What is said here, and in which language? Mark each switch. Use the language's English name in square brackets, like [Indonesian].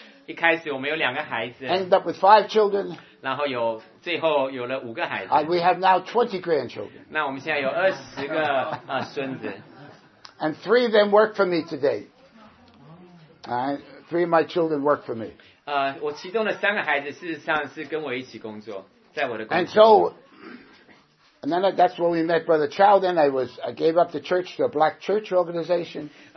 [Chinese] 一开始我们有两个孩子。 [English] Ended up with five children. [Chinese] 然后最后有了五个孩子。 [English] We have now 20 grandchildren. [Chinese] 那我们现在有20个孙子。 [English] And three of them work for me today. Alright. Three of my children work for me. [Chinese] 我其中的三个孩子事实上是跟我一起工作， 在我的工作。 [English] And so, and then that's when we met Brother Chow. Then I gave up the church to a black church organization.